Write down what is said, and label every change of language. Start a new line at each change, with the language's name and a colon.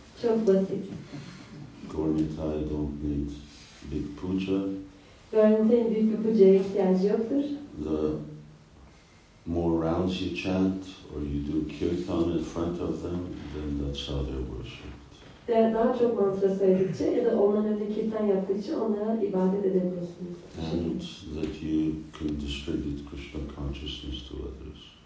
Turkish: Çok basit.
English: Goranitai don't need big puja.
Turkish: Goranitai'nin büyük bir puja ihtiyacı yoktur.
English: The more rounds you chant or you do kirtan in front of them, then that's how they're worshipped.
Turkish: Yani daha çok mantra söyledikçe ya da onların önünde kirtan yaptıkça onlara ibadet edebiliyorsunuz.
English: And that you can distribute Krishna consciousness to others.